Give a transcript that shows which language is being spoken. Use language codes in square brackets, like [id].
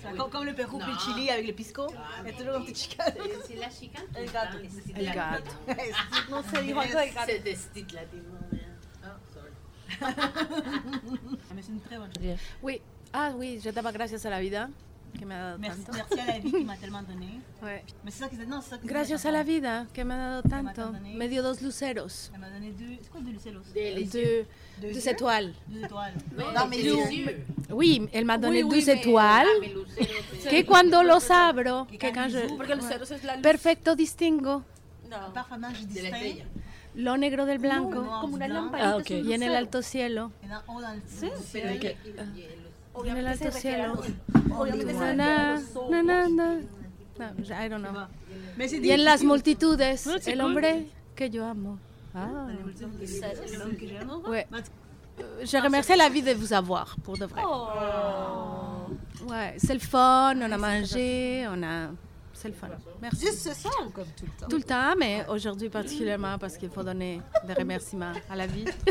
[fr] Comme le Pérou, le Chili avec le pisco, il y a toujours un petit chicane. C'est la chicane. [es] El gato. El gato. [fr] Non, c'est l'Iran. C'est des styles latins. Mais c'est une très bonne chose. Oui. Ah oui, je t'aime [es] gracias a la vida. Que m'a dado tanto. [fr] Merci à la vie qui m'a tellement donné. Oui. Mais c'est ça qui s'est donné. [es] Gracias a la vida que m'a dado tanto. Me dio dos luceros. [fr] Elle m'a donné deux. C'est quoi deux luceros? Deux étoiles. Deux étoiles. Non, mais deux. Oui, elle m'a donné deux étoiles. Que quand [es] los abro. [fr] Que quand je. [es] Porque luceros es la luz. Perfecto distingo. [fr] Non. Parfaitement, je distingue. [es] Lo negro del blanco, como una lamparita, y en el alto cielo. En el alto cielo. [en] I don't know. [es] Y en las multitudes, el hombre que yo amo. [fr] Je remercie la vie de vous avoir, pour de vrai. Ouais, c'est le fun, on a mangé, on a... C'est le fun. Merci. Juste ce soir ou comme tout le temps? Tout le temps, mais aujourd'hui particulièrement parce qu'il faut donner des remerciements à la vie.